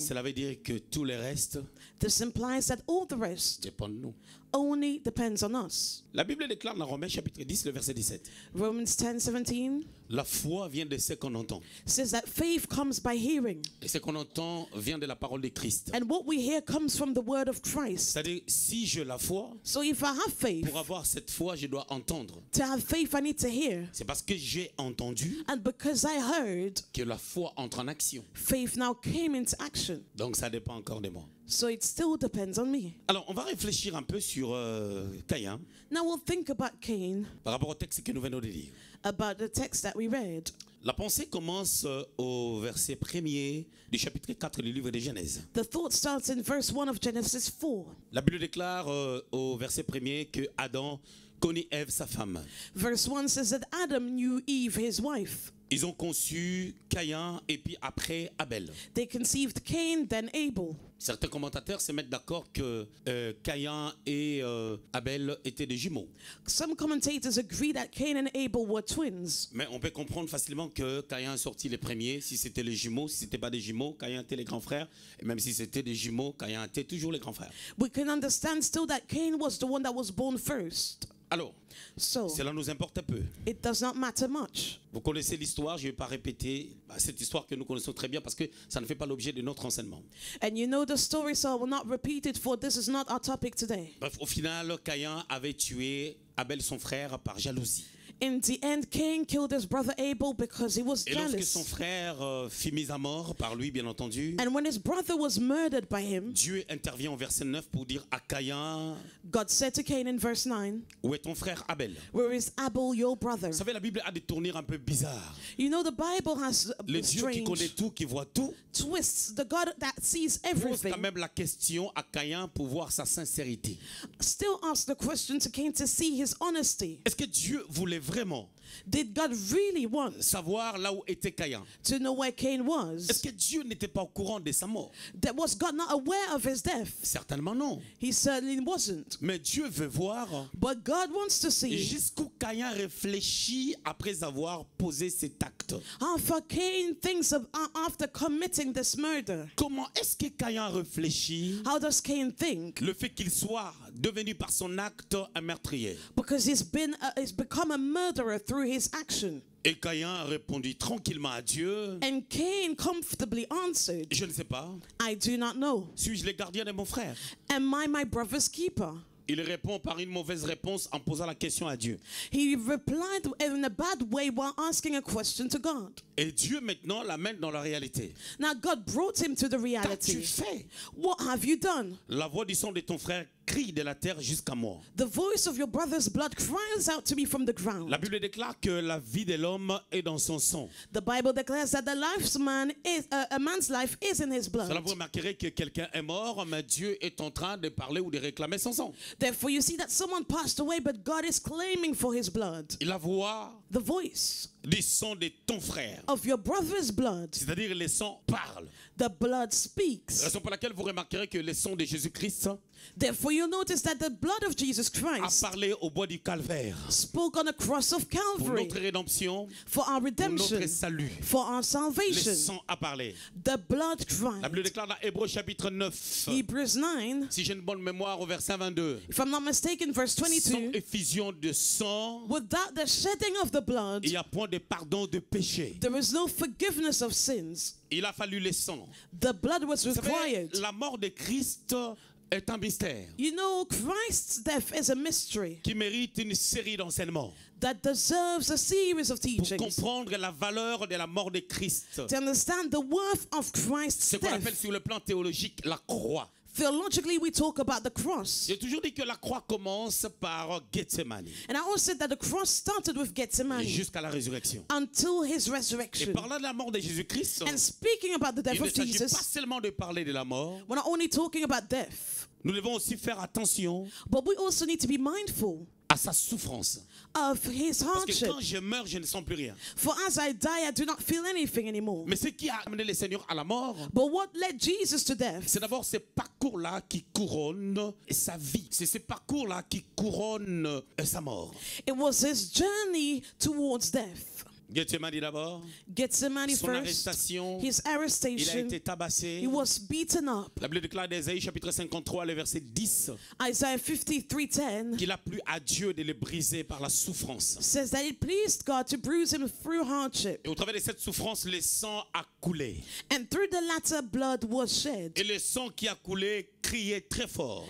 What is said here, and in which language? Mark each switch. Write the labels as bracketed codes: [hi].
[fr] Cela veut dire que tout le reste, [en] this implies that all the rest, [fr] dépend de nous. [en] Only depends on us. [fr] La Bible déclare dans Romains chapitre 10, le verset 17. [en] Romans 10, 17. [fr] La foi vient de ce qu'on entend. [en] Says that faith comes by hearing. [fr] Et ce qu'on entend vient de la parole de Christ. [en] And what we hear comes from the word of Christ. [fr] C'est-à-dire, si j'ai la foi, [en] so if I have faith, [fr] pour avoir cette foi, je dois entendre. [en] To have faith, I need to hear. [fr] C'est parce que j'ai entendu, [en] and because I heard, [fr] que la foi entre en action. [en] Faith now came into action. [fr] Donc ça dépend encore de moi. [en] So it still depends on me. [fr] Alors, on va réfléchir un peu sur Caïn. [en] Now we'll think about Cain. [fr] Par rapport au texte que nous venons de lire. [en] About the text that we read. [fr] La pensée commence au verset premier du chapitre 4 du livre de Genèse. [en] The thought starts in verse 1 of Genesis 4. [fr] La Bible déclare au verset premier que Adam connut Ève, sa femme. [en] Verse 1 says that Adam knew Eve, his wife. [fr] Ils ont conçu Caïn et puis après Abel. [en] They conceived Cain, then Abel. [fr] Certains commentateurs se mettent d'accord que Caïn et Abel étaient des jumeaux. [en] Some commentators agree that Cain and Abel were twins. [fr] Mais on peut comprendre facilement que Caïn est sorti les premiers, si c'était les jumeaux, si c'était pas des jumeaux, Caïn était les grands frères. Et même si c'était des jumeaux, Caïn était toujours les grands frères. [en] We can understand still that Cain was the one that was born first. [fr] Alors, [en] so, [fr] cela nous importe un peu. [en] It does not matter much. [fr] Vous connaissez l'histoire, je ne vais pas répéter cette histoire que nous connaissons très bien parce que ça ne fait pas l'objet de notre enseignement. [en] And you know the story, so I will not repeat it, for this is not our topic today. [fr] Bref, au final, Caïn avait tué Abel, son frère, par jalousie. [en] In the end, Cain killed his brother Abel because he was jealous. [fr] Et lorsque son frère fut mis à mort par lui, bien entendu. [en] And when his brother was murdered by him. [fr] Dieu intervient au verset 9 pour dire à Caïn. [en] God said to Cain in verse 9. [fr] Où est ton frère Abel? [en] Where is Abel, your brother? [fr] Vous savez, la Bible a des tournures un peu bizarres. [en] You know, the Bible has [fr] le Dieu [en] strange. [fr] Qui connaît tout, qui voit tout. [en] Twists the God that sees everything. [fr] Pose quand même la question à Caïn pour voir sa sincérité. [en] Still ask the question to Cain to see his honesty. [fr] Est-ce que Dieu voulait vraiment? [en] Did God really want [fr] savoir là où était Caïn? [en] To know where Cain was? [fr] Est-ce que Dieu n'était pas au courant de sa mort? [en] That was God not aware of his death? [fr] Certainement non. [en] He certainly wasn't. [fr] Mais Dieu veut voir. [en] But God wants to see. [fr] Jusqu'où Caïn réfléchit après avoir posé cet acte? [en] How far Cain thinks of after committing this murder? [fr] Comment est-ce que Caïn réfléchit? [en] How does Cain think? [fr] Le fait qu'il soit devenu par son acte un meurtrier. [en] Because he's become a murderer through his action. [fr] Et Caïn a répondu tranquillement à Dieu. [en] And Cain comfortably answered. [fr] Je ne sais pas. [en] I do not know. [fr] Suis-je le gardien de mon frère? [en] Am I my brother's keeper? [fr] Il répond par une mauvaise réponse en posant la question à Dieu. [en] He replied in a bad way while asking a question to God. [fr] Et Dieu maintenant l'amène dans la réalité. [en] Now God brought him to the reality. [fr] Qu'as-tu fait? [en] What have you done? [fr] La voix du sang de ton frère crie de la terre jusqu'à moi. [en] The voice of your brother's blood cries out to me from the ground. [fr] La Bible déclare que la vie de l'homme est dans son sang. [en] The Bible declares that the life's man is a man's life is in his blood. [fr] Cela vous remarquerez que quelqu'un est mort, mais Dieu est en train de parler ou de réclamer son sang. [en] Therefore, you see that someone passed away, but God is claiming for his blood. [fr] Et la voix. [en] The voice. [fr] Du sang de ton frère. [en] Of your brother's blood. [fr] C'est-à-dire le sang parle. [en] The blood speaks. [fr] Raison pour laquelle vous remarquerez que le sang de Jésus-Christ. [en] Therefore, you notice that the blood of Jesus Christ [fr] a parlé au bois du calvaire. [en] Spoke on the cross of Calvary. [fr] Pour notre rédemption. [en] For our redemption. [fr] Pour notre salut. [en] For our salvation. [fr] Le sang a parlé. [en] The blood cried. [fr] La Bible déclare dans Hébreux chapitre 9. [en] Hebrews 9. [fr] Si j'ai une bonne mémoire au verset 22. [en] If I'm not mistaken, verse 22. [fr] Sans effusion de sang. [en] Without the shedding of the blood. [fr] Il n'y a point de pardon de péché. [en] There is no forgiveness of sins. [fr] Il a fallu le sang. [en] The blood was required. [fr] La mort de Christ. Est un mystère. [en] You know, Christ's death is a mystery. [fr] Qui mérite une série d'enseignements. [en] That deserves a series of teachings. [fr] Pour comprendre la valeur de la mort de Christ. [en] To understand the worth of Christ's death. [fr] C'est qu'on appelle sur le plan théologique la croix. [en] Theologically, we talk about the cross. [fr] J'ai toujours dit que la croix commence par Gethsemane. [en] And I always said that the cross started with Gethsemane. [fr] Jusqu'à la résurrection. [en] Until his resurrection. [fr] Et parlant de la mort de Jésus-Christ. [en] And speaking about the death of Jesus. [fr] Il ne s'agit pas seulement de parler de la mort. [en] We're not only talking about death. [fr] Nous devons aussi faire attention. [en] But we also need to be mindful. [fr] À sa souffrance. [en] Of his hardship. [fr] Parce que quand je meurs, je ne sens plus rien. [en] For as I die, I do not feel anything anymore. [fr] Mais ce qui a amené le Seigneur à la mort. [en] But what led Jesus to death? [fr] C'est d'abord ce parcours-là qui couronne sa vie. C'est ce parcours-là qui couronne sa mort. [en] It was his journey towards death. [fr] Gethsemane d'abord. [en] Gethsemane [fr] son [en] first. [fr] Arrestation. [en] His arrestation. [fr] Il a été tabassé. [en] He was beaten up. [fr] La Bible déclare d'Ésaïe chapitre 53 le verset 10. [en] Isaiah 53:10. [fr] Qu'il a plu à Dieu de le briser par la souffrance. [en] Says that it pleased God to bruise him through hardship. [fr] Et au travers de cette souffrance, le sang a coulé. [en] And through the latter, blood was shed. [fr] Et le sang qui a coulé criait très fort.